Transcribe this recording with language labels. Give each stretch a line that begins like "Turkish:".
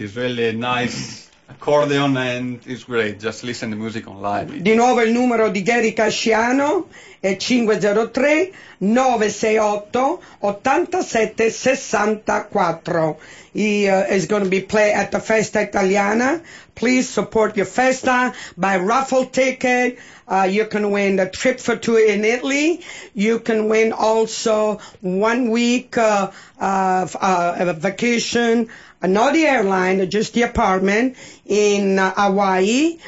English: It's really a nice accordion and it's great. Just listen to music on live.
Italian: Di nuovo il numero di Gary Casciano è 503-968-8764.
English: It's going to be played at the Festa Italiana. Please support your Festa by raffle ticket. You can win a trip for two in Italy. You can win also 1 week of vacation, not the airline, just the apartment in Hawaii.